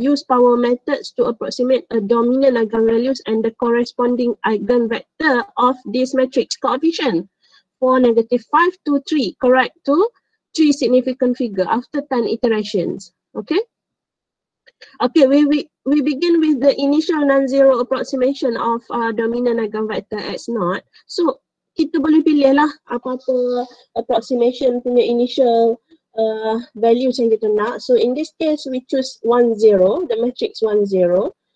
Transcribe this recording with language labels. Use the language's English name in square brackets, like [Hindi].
[English] Use power methods to approximate a dominant eigenvalues and the corresponding eigenvector of this matrix coefficient. 4, negative 5 to 3, correct to 3 significant figure after 10 iterations, okay. Okay, we begin with the initial non-zero approximation of dominant eigenvector x naught. [Malay] So, kita boleh pilih lah apa-apa approximation punya initial values yang kita nak. [English] So, in this case, we choose 1, 0, the matrix 1, 0.